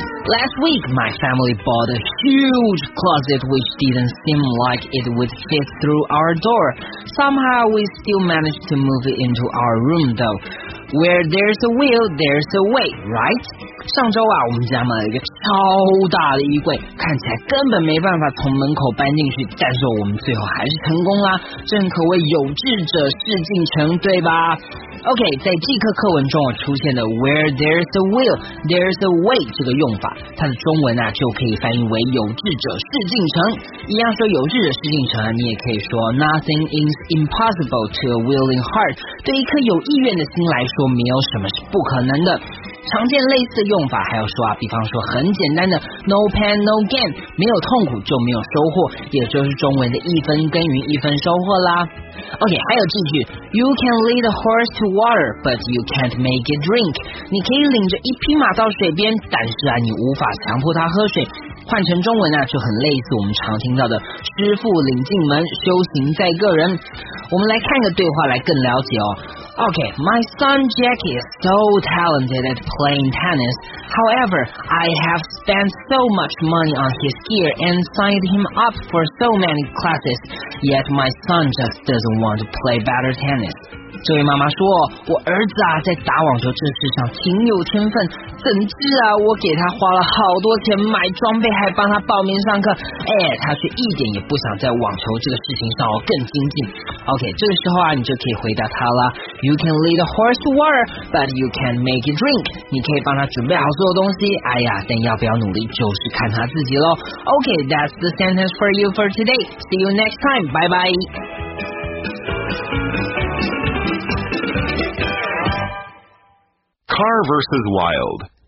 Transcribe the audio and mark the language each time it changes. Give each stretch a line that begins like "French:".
English: Last week, my family bought a huge closet which didn't seem like it would fit through our door. Somehow, we still managed to move it into our room, though. Where there's a will, there's a way, right?
Chinese: 上周啊，我们家买了一个超大的衣柜，看起来根本没办法从门口搬进去，但是我们最后还是成功啦，正可谓有志者事竟成，对吧？ OK， 在这课课文中出现的
English: where there's a will, there's a way
Chinese: 这个用法，它的中文啊就可以翻译为有志者事竟成，一样说有志者事竟成，你也可以说
English: nothing is impossible to a willing heart，
Chinese: 对一颗有意愿的心来说，没有什么是不可能的。常见类似的用法还要说啊，比方说很简单的
English: no pain no gain，
Chinese: 没有痛苦就没有收获，也就是中文的一分耕耘一分收获啦。 OK， 还有这句
English: you can lead a horse to water but you can't make it drink，
Chinese: 你可以领着一匹马到水边，但是啊，你无法强迫它喝水。换成中文呢、就很类似我们常听到的师父领进门，修行在个人。我们来看个对话来更了解哦。
English: OK, my son Jack is so talented at playing tennis. However, I have spent so much money on his gear and signed him up for so many classes. Yet my son just doesn't want to play better tennis.
Chinese: 这位妈妈说，我儿子啊在打网球这事上挺有天分，怎知啊我给他花了好多钱买装备，还帮他报名上课，哎，他却一点也不想在网球这个事情上更精进。
English: OK,
Chinese: 这个时候啊你就可以回答他了，
English: You can lead a horse to water but you can make it drink.
Chinese: 你可以帮他准备好所有东西，哎呀，但要不要努力就是看他自己咯。
English: OK, that's the sentence for you for today. See you next time, bye bye. Car versus Wild.